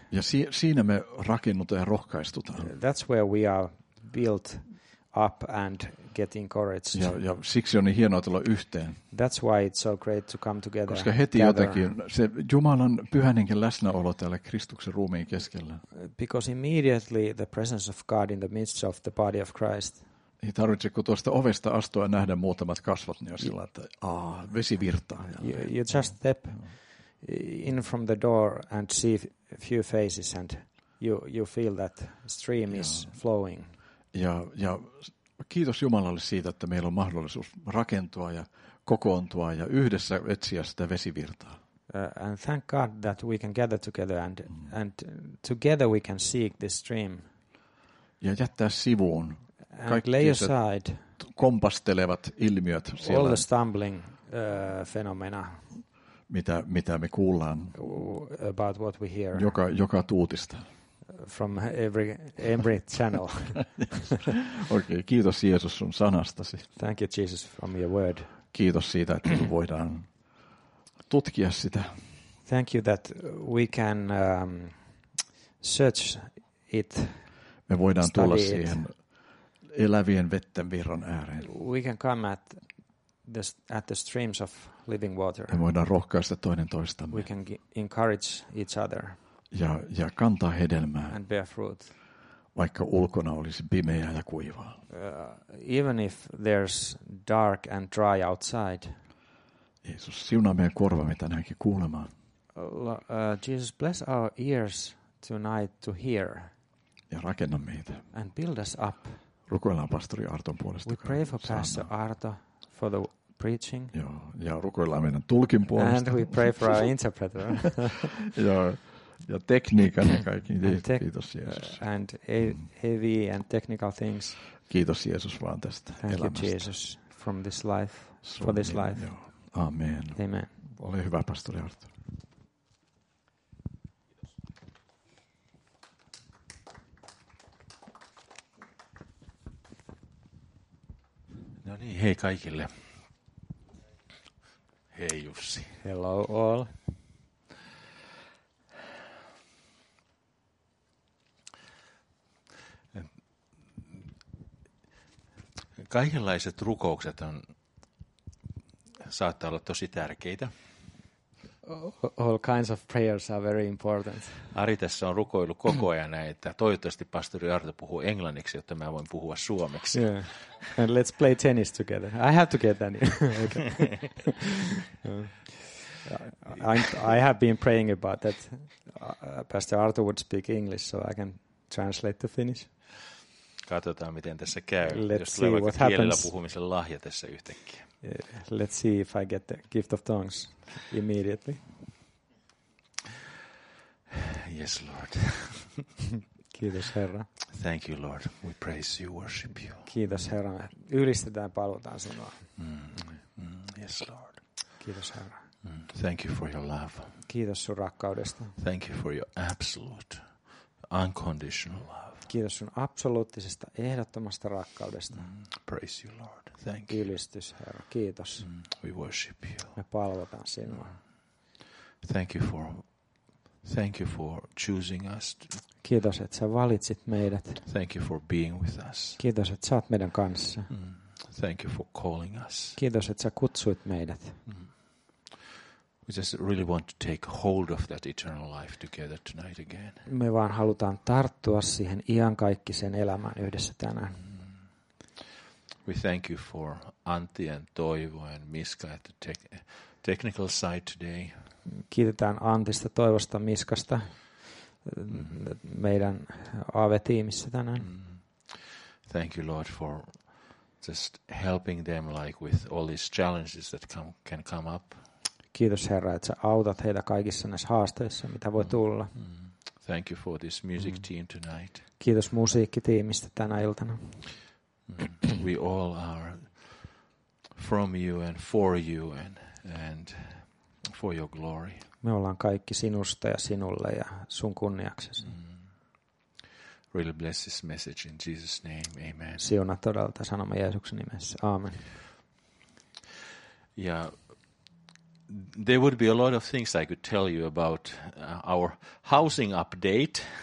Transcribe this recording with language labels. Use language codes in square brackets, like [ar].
[fi] Ja siinä me rakennutaan ja rohkaistutaan. [en] That's where we are built up and get encouraged. [fi] Ja siksi on niin hienoa tulla yhteen. [en] That's why it's so great to come together. [fi] Koska heti jotenkin se Jumalan pyhän hengen läsnäolo täällä Kristuksen ruumiin keskellä. [en] Because immediately the presence of God in the midst of the body of Christ. [fi] Ei tarvitse kuin tuosta ovesta astua ja nähdä muutamat kasvot, niin on sillä, että vesi virtaa. [en] You just step in from the door and see a few faces and you feel that stream is flowing. [fi] Ja kiitos Jumalalle siitä, että meillä on mahdollisuus rakentua ja kokoontua ja yhdessä etsiä sitä vesivirtaa. [en] And thank God that we can gather together and together we can seek this stream. [fi] Ja jättää sivuun kaikki kompastelevat ilmiöt siellä. [en] All the stumbling fenomena. [fi] Mitä me kuullaan. [en] About what we hear. [fi] Joka tuutista. [en] From every channel. [fi] Okay, kiitos Jeesus sun sanastasi. [en] Thank you Jesus from your word. [fi] Kiitos siitä, että voidaan tutkia sitä. [en] Thank you that we can search it. [fi] Me voidaan tulla siihen elävien vetten virran ääreen. [en] We can come at the streams of living water. [fi] Me voidaan rohkaista toinen toistamme. [en] We can encourage each other. [fi] Ja kantaa hedelmää, [en] and bear fruit. [fi] Vaikka ulkona olisi pimeää ja kuivaa. [en] Even if there's dark and dry outside. [fi] Jeesus, siunaa meidän korvamme tänäänkin kuulemaan. [en] Jesus, bless our ears tonight to hear. [fi] Ja rakenna meitä. [en] And build us up. [fi] Rukoillaan pastori Arton puolesta. [en] We pray for Pastor Arto for the preaching. [fi] Joo, ja rukoillaan meidän tulkin puolesta. [en] And we pray for our interpreter. [fi] Ja tekniikan ja kaikki. Kiitos Jeesus. [en] And heavy and technical things. [fi] Kiitos Jeesus vaan tästä elämästä. [en] Thank you Jesus from this life, for this life. Amen. Amen. [fi] Ole hyvä pastori Arto. No niin, hei kaikille. Hei Jussi. [en] Hello all. [fi] Kaikenlaiset rukoukset saattaa olla tosi tärkeitä. [en] All kinds of prayers are very important. [fi] Ari tässä on rukoillut koko ajan näin, että toivottavasti pastori Arto puhuu englanniksi, jotta mä voin puhua suomeksi. [en] Yeah. And let's play tennis together. I have to get that. Okay. I have been praying about that. Pastor Arthur would speak English, so I can translate to Finnish. [fi] Katsotaan, miten tässä käy. [en] Let's see what happens. [fi] Kielellä puhumisen lahja tässä yhtäkkiä. [en] Let's see if I get the gift of tongues immediately. Yes, Lord. [fi] Kiitos, Herra. [en] Thank you, Lord. We praise you, worship you. [fi] Kiitos, Herra. Ylistetään, palutaan sinua. [en] Yes, Lord. [fi] Kiitos, Herra. [en] Thank you for your love. [fi] Kiitos sun rakkaudesta. [en] Thank you for your absolute, unconditional love. [fi] Kiitos sun absoluuttisesta, ehdottomasta rakkaudesta. [en] Praise you, Lord. Thank you. [fi] Ylistys, Herra. Kiitos. [en] We worship you. [fi] Me palvotaan sinua. [en] Thank you for choosing us. [fi] Kiitos, että sä valitsit meidät. [en] Thank you for being with us. [fi] Kiitos, että sä oot meidän kanssa. [en] Thank you for calling us. [fi] Kiitos, että sä kutsuit meidät. [en] We just really want to take hold of that eternal life together tonight again. [fi] Me vaan halutaan tarttua siihen iankaikkiseen elämään yhdessä tänään. [en] We thank you for Antti and Toivo and Miska at the technical side today. [fi] Kiitetään Antista, Toivosta, Miskasta meidän AV-tiimissä tänään. [en] Thank you, Lord, for just helping them like with all these challenges that can come up. [fi] Kiitos, Herra, että sä autat heitä kaikissa näissä haasteissa, mitä voi tulla. [en] Thank you for this music team tonight. [fi] Kiitos musiikkitiimistä tänä iltana. [en] We all are from you and for you and for your glory. [fi] Me ollaan kaikki sinusta ja sinulle ja sun kunniaksesi. [en] Really bless this message in Jesus' name. Amen. [fi] Siunaa todella sanomme Jeesuksen nimessä. Amen. [en] Ja there would be a lot of things I could tell you about our housing update.